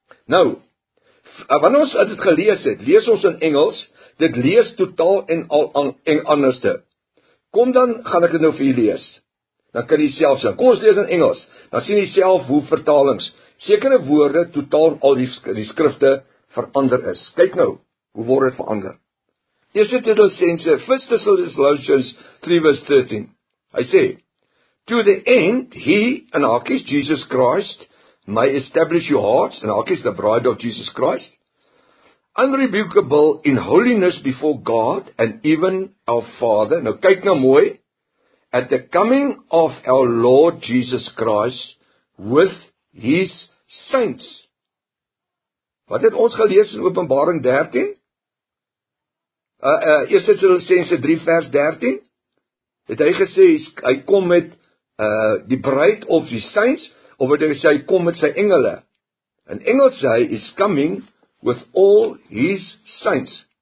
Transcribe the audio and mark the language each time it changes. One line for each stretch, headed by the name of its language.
Afrikaans: Nou, wanneer ons het gelees het, lees ons in Engels, dit lees totaal en al anderste. Kom dan, gaan ek dit nou vir jy lees, dan kan jy self sê, kom ons lees in Engels, dan sien jy self hoe vertalings, sekere woorde, totaal al die skrifte verander is. Kyk nou, hoe word het verander.
English: Eerste Tessalonisense, 1 Tessalonisense 3 vers 13, hy sê, to the end, he, in haakies, Jesus Christ, may establish your hearts, and haakies the bride of Jesus Christ, unrebukable in holiness before God, and even our Father, nou kyk nou mooi, at the coming of our Lord Jesus Christ, with his saints.
Afrikaans: Wat het ons gelees in Openbaring 13? 1 Tessalonisense 3 vers 13, het hy gesê, hy kom met die bruid of die saints, of wat hy sê, kom met sy engele.
English: En engel sê, is coming with all his saints.